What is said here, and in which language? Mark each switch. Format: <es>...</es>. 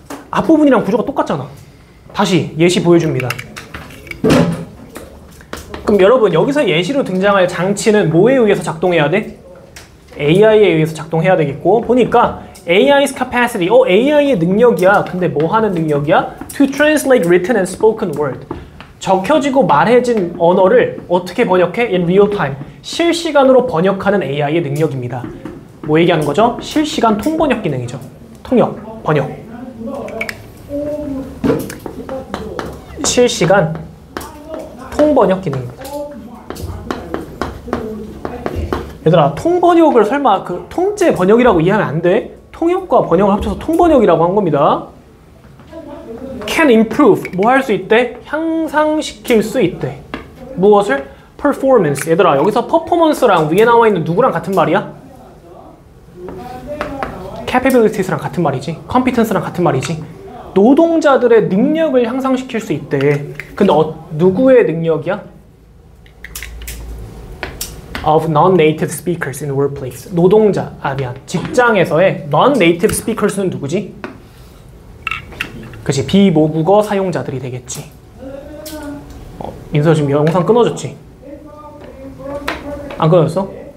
<ko>앞부분이랑 구조가 똑같잖아. 다시 예시 보여줍니다. 그럼 여러분 여기서 예시로 등장할 장치는 뭐에 의해서 작동해야 돼? AI에 의해서 작동해야 되겠고 보니까</ko> <en>AI's capacity,</en> <ko>AI의 능력이야. 근데 뭐 하는 능력이야?</ko> <en>To translate written and spoken word.</en> <ko>적혀지고 말해진 언어를 어떻게 번역해?</ko> <en>In real time.</en> <ko>실시간으로 번역하는 AI의 능력입니다. 뭐 얘기하는 거죠? 실시간 통번역 기능이죠. 통역, 번역. 실시간 통번역 기능입니다. 얘들아 통번역을 설마 그 통째 번역이라고 이해하면 안 돼? 통역과 번역을 합쳐서 통번역이라고 한 겁니다.</ko> <en>Can improve</en> <ko>뭐 할 수 있대? 향상시킬 수 있대. 무엇을? Performance. 얘들아 여기서 퍼포먼스랑 위에 나와 있는 누구랑 같은 말이야? Capabilities랑 같은 말이지. Competence랑 같은 말이지. 노동자들의 능력을 향상시킬 수 있대. 근데 누구의 능력이야?</ko> <en>Of non-native speakers in the workplace.</en> <ko>노동자, 직장에서의 non-native speakers는 누구지? 그치, 비모국어 사용자들이 되겠지. 민서 지금 영상 끊어졌지? 안 끊어졌어?</ko>